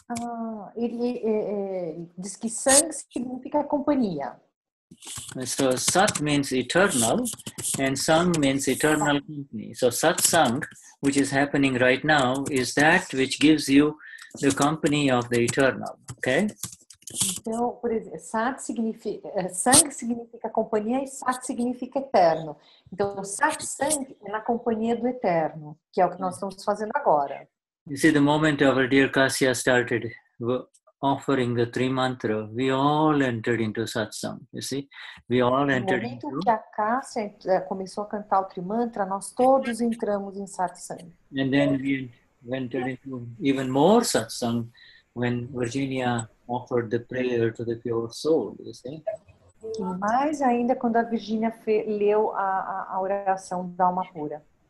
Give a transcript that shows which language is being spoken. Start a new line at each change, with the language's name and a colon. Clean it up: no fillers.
Portuguese: Ah, ele diz que sang significa companhia.
English: So sat means eternal and sang means eternal company. So satsang, which is happening right now, is that which gives you the company of the eternal. Okay?
Portuguese: Então, por exemplo, sat significa, sang significa companhia e sat significa eterno. Então, satsang é na companhia do eterno, que é o que nós estamos fazendo agora.
English: You see, the moment our dear Kasia started offering the three mantras, we all entered into satsang, you see? We all entered into...
Portuguese: No momento que a Kasia começou a cantar o trimantra, nós todos entramos em satsang.
English: And then we entered into even more satsang when Virginia offered the prayer to the pure soul, you see?
Portuguese: E mais ainda quando a Virginia leu a oração da alma pura.